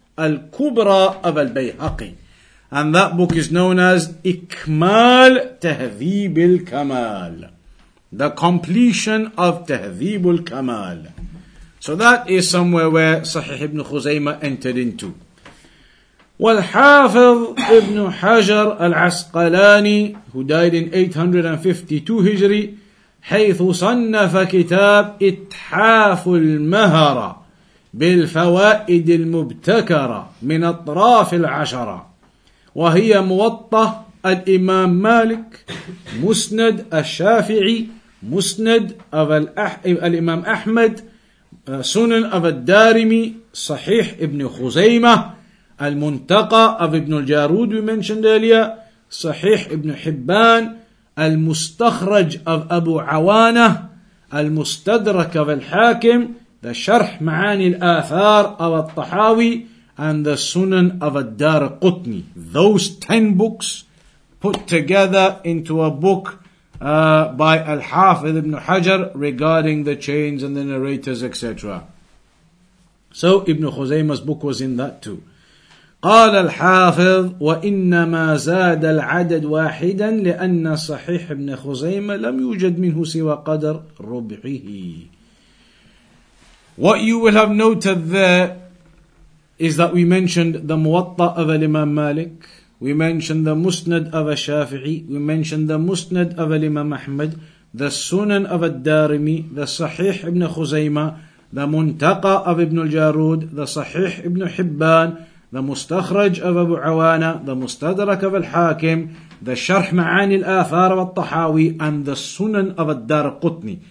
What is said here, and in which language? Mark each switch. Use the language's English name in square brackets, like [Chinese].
[English] al-Kubra of al-Bayhaqi. And that book is known as Ikmal Tahdhib al-Kamal. The completion of Tahdhib al-Kamal. So that is somewhere where Sahih ibn Khuzaymah entered into. Wal-Hafidh ibn Hajar al-Asqalani, who died in 852 Hijri, [Arabic] حيث صنف كتاب إتحاف المهرة بالفوائد المبتكرة من أطراف العشرة وهي موطأ الإمام مالك مسند الشافعي مسند الإمام أحمد سنن الدارمي صحيح ابن خزيمة المنتقى ابن الجارود [English] mentioned earlier [Arabic] صحيح ابن حبان المستخرج of أبو عوانة المستدرك of الحاكم the شرح معاني الآثار of الطحاوي and the سنن of الدار قطني. [English] Those 10 books put together into a book by Al-Hafiz ibn Hajar regarding the chains and the narrators etc. So Ibn Khuzaymah's book was in that too. [Arabic] قال الحافظ وإنما زاد العدد واحدا لأن صحيح ابن خزيمة لم يوجد منه سوى قدر ربعه. [English] What you will have noted there is that we mentioned the Muwatta of Imam Malik, we mentioned the Musnad of Shafi'i, we mentioned the Musnad of Imam Ahmad, the Sunan of Ad-Darimi, the Sahih ibn Khuzaymah, the Muntaqa of Ibn al-Jarud, the Sahih ibn Hibban, the Mustakhraj of Abu Awana, the Mustadrak of Al-Hakim, the Sharh Ma'ani Al-Athar of Al-Tahawi, and the Sunan of Ad-Darqutni.